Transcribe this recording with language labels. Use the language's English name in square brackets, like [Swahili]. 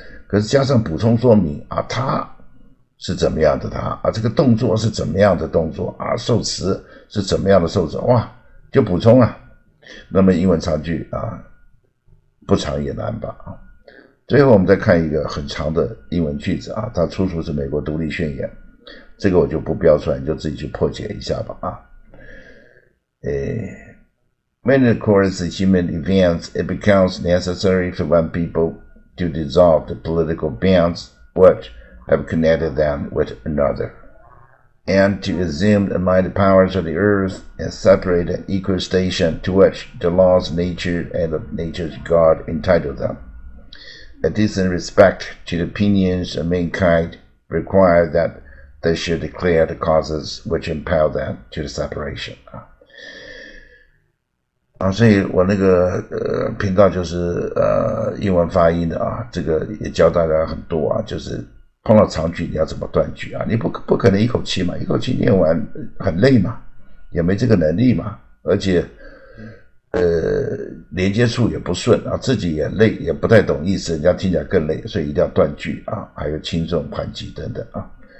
[Chinese] 可是加上补充说明啊，它是怎么样的它啊，这个动作是怎么样的动作啊，受词是怎么样的受词，哇，就补充啊。那么英文长句啊，不长也难吧啊。最后我们再看一个很长的英文句子啊，它出处是美国独立宣言，这个我就不标出来，你就自己去破解一下吧啊。 [English] When the course of human events, it becomes necessary for one people to dissolve the political bands which have connected them with another, and to assume the mighty powers of the earth and separate an equal station to which the laws of nature and of nature's God entitle them. A decent respect to the opinions of mankind require that they should declare the causes which impel them to the separation. [Chinese] 啊，所以我那个频道就是英文发音的啊，这个也教大家很多啊，就是碰到长句你要怎么断句啊，你不可能一口气嘛，一口气念完很累嘛，也没这个能力嘛，而且连接处也不顺啊，自己也累，也不太懂意思，人家听起来更累，所以一定要断句啊，还有轻重缓急等等啊。